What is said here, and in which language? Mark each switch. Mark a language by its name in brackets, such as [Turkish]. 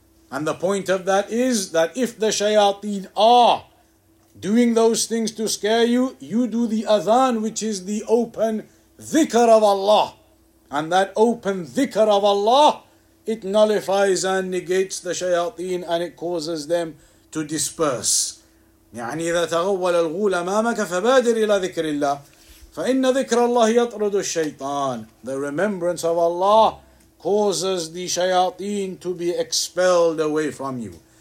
[English] And the point of that is that if the shayateen are doing those things to scare you, you do the adhan, which is the open dhikr of Allah. And that open dhikr of Allah, it nullifies and negates the shayateen, and it causes them to disperse. [Arabic] يعني إذا تغول الغول أمامك فبادر إلى ذكر الله فإن ذكر الله يطرد الشيطان. [English] The remembrance of Allah causes the shayateen to be expelled away from you.